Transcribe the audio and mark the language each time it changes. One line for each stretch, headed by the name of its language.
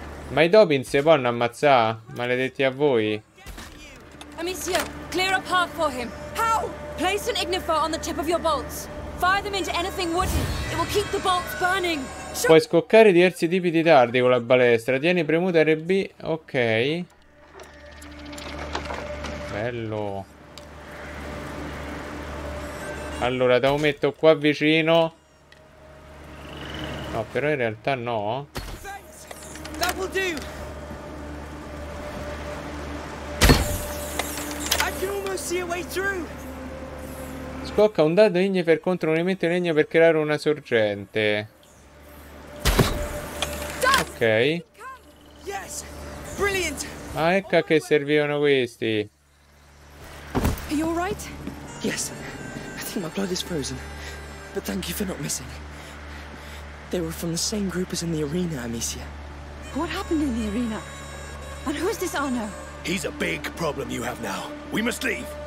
Italian: Ma i Dobbins si vanno ammazzare? Maledetti a voi.
English: Amicia, clear a path for him. How? Place an ignifer on the tip of your bolts. Fire them into anything wooden. It will keep the bolts burning.
Italian: Puoi scoccare diversi tipi di dardi con la balestra. Tieni premuta RB. Ok. Bello. Allora, te lo metto qua vicino. No, però in realtà no.
English: That will do. I can almost see a way through.
Italian: Scocca un dado ignifer contro un elemento in legno per creare una sorgente. Ok.
English: Yes. Brilliant.
Italian: Ah, ecco a che servivano questi.
English: Are you all right? Yes. I think my blood is frozen. But thank you for not missing. They were from the same group as in the arena, Amicia. What happened in the arena? And who is this Arno? He's a big problem you have now. We must leave.